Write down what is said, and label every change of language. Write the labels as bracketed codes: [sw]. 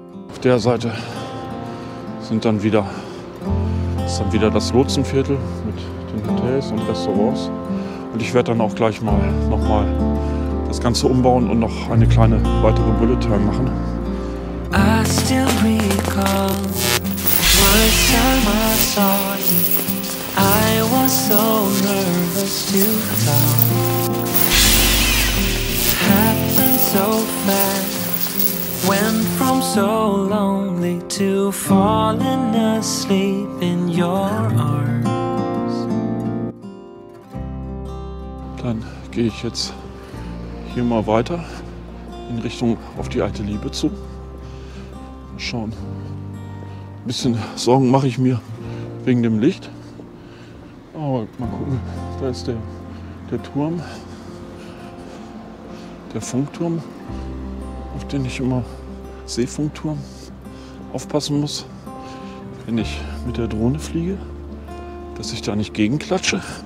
[de] Auf der Seite ist dann wieder das Lotsenviertel mit den Hotels und Restaurants. Und ich werde dann auch gleich mal nochmal das Ganze umbauen und noch eine kleine weitere Bullet Time machen. [en] I still recall first time I saw you. I was so nervous to come. Happened so fast. Went from so lonely to falling asleep in your arms. [de] Dann gehe ich jetzt hier mal weiter in Richtung auf die alte Liebe zu. Mal schauen. Ein bisschen Sorgen mache ich mir wegen dem Licht. Aber mal gucken, da ist der Turm, der Funkturm, auf den ich immer Seefunkturm aufpassen muss, wenn ich mit der Drohne fliege, dass ich da nicht gegenklatsche.